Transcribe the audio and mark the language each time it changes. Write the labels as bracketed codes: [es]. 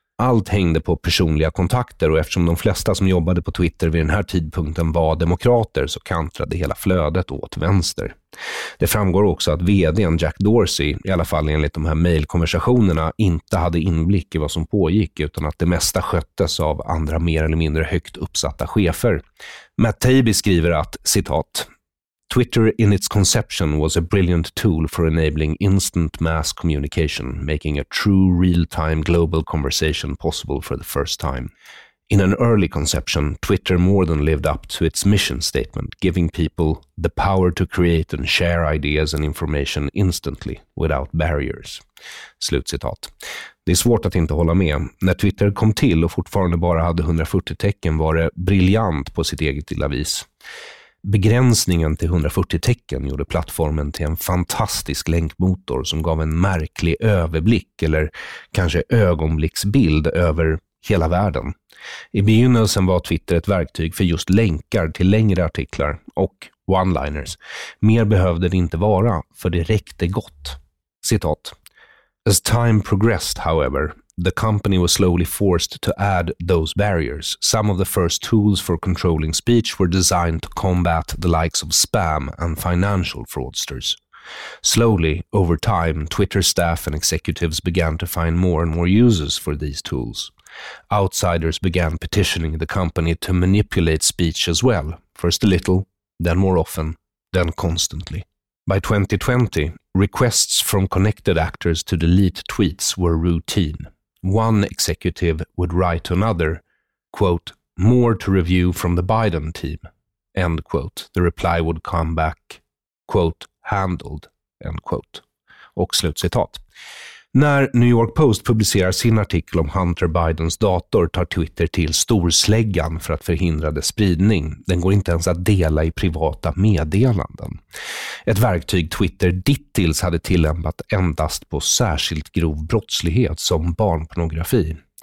[sv] Allt hängde på personliga kontakter och eftersom de flesta som jobbade på Twitter vid den här tidpunkten var demokrater så kantrade hela flödet åt vänster. Det framgår också att vdn Jack Dorsey, i alla fall enligt de här mejlkonversationerna, inte hade inblick i vad som pågick utan att det mesta sköttes av andra mer eller mindre högt uppsatta chefer. [en] Matt Taibbi [sv] skriver att, citat, [en] Twitter in its conception was a brilliant tool for enabling instant mass communication, making a true real-time global conversation possible for the first time. In an early conception, Twitter more than lived up to its mission statement, giving people the power to create and share ideas and information instantly, without barriers. [sv] Slutcitat. Det är svårt att inte hålla med. När Twitter kom till och fortfarande bara hade 140 tecken var det briljant på sitt eget lilla vis. Begränsningen till 140 tecken gjorde plattformen till en fantastisk länkmotor som gav en märklig överblick eller kanske ögonblicksbild över hela världen. I begynnelsen var Twitter ett verktyg för just länkar till längre artiklar och one-liners. Mer behövde det inte vara, för det räckte gott. Citat. [en] As time progressed, however, the company was slowly forced to add those barriers. Some of the first tools for controlling speech were designed to combat the likes of spam and financial fraudsters. Slowly, over time, Twitter staff and executives began to find more and more uses for these tools. Outsiders began petitioning the company to manipulate speech as well, first a little, then more often, then constantly. By 2020, requests from connected actors to delete tweets were routine. One executive would write to another, quote, more to review from the Biden team, end quote. The reply would come back, quote, handled, end quote. [sv] Och slut citat. När New York Post publicerar sin artikel om Hunter Bidens dator tar Twitter till storsläggan för att förhindra dess spridning. Den går inte ens att dela i privata meddelanden. Ett verktyg Twitter dittills hade tillämpat endast på särskilt grov brottslighet som barnpornografi.